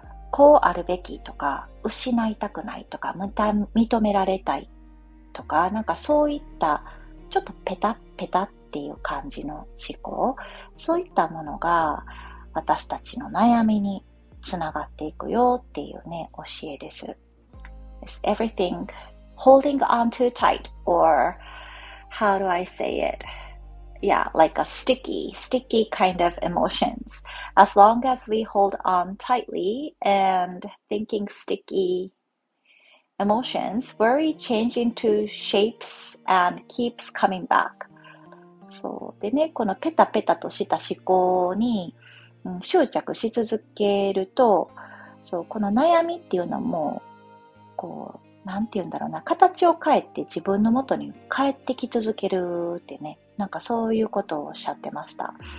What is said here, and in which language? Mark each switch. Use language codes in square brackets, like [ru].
[ja] こうあるべきとか、失いたくないとか、また認められたいとか、なんかそういった、ちょっとペタッペタっていう感じの思考、そういったものが私たちの悩みにつながっていくよっていうね、教えです。 [en] It's everything holding on too tight, or how do I say it? Yeah, like a sticky kind of emotions. As long as we hold on tightly and thinking sticky emotions, worry changes into shapes and keeps coming back. [ja] そうでね、このペタペタとした思考に、執着し続けると、そう、この悩みっていうのもこう、なんて言うんだろうな、形を変えて自分の元に帰ってき続けるってね、なんかそういうことをおっしゃってました。